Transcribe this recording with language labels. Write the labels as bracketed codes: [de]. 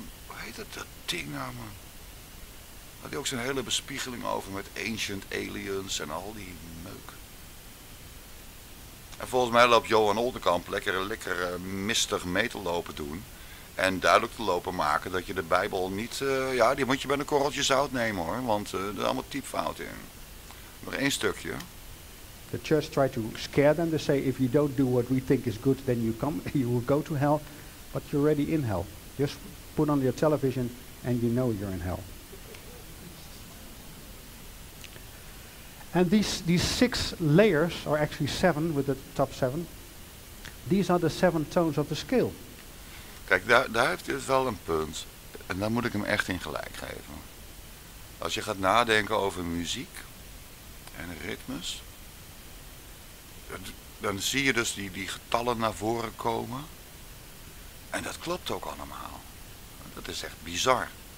[nl] Hoe heet dat ding nou, man? Had hij ook zijn hele bespiegeling over met ancient aliens en al die meuk. En volgens mij loopt Johan Oldenkamp lekker mistig mee te lopen doen. En duidelijk te lopen maken dat je de Bijbel niet... die moet je bij een korreltje zout nemen hoor. Want er is allemaal typfout in. Nog één stukje. [en] The church tried to scare them to say if you don't do what we think is good, then you will go to hell, but you're already in hell. Just put on your television and you know you're in hell. And these 6 layers, or actually 7 with the top 7, these are the 7 tones of the scale. [nl] Kijk, daar heeft hij wel een punt. En daar moet ik hem echt in gelijk geven. Als je gaat nadenken over muziek. En ritmes. Dan zie je dus die getallen naar voren komen. En dat klopt ook allemaal. Dat is echt bizar.